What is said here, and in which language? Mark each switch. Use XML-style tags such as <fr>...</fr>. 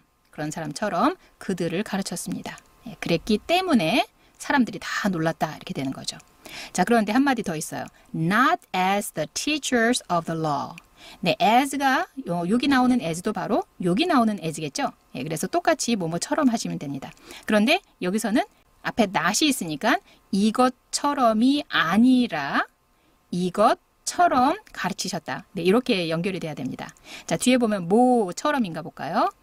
<ko>그런 사람처럼 그들을 가르쳤습니다. 예, 그랬기 때문에 사람들이 다 놀랐다 이렇게 되는 거죠. 자, 그런데 한마디 더 있어요.</ko> <en>Not as the teachers of the law.</en> <ko>네, as가 여기 나오는 as도 바로 여기 나오는 as겠죠. 예, 그래서 똑같이 뭐뭐처럼 하시면 됩니다. 그런데 여기서는 앞에 not이 있으니까 이것처럼이 아니라 이것처럼 가르치셨다. 네, 이렇게 연결이 돼야 됩니다. 자, 뒤에 보면 뭐처럼인가 볼까요?</ko>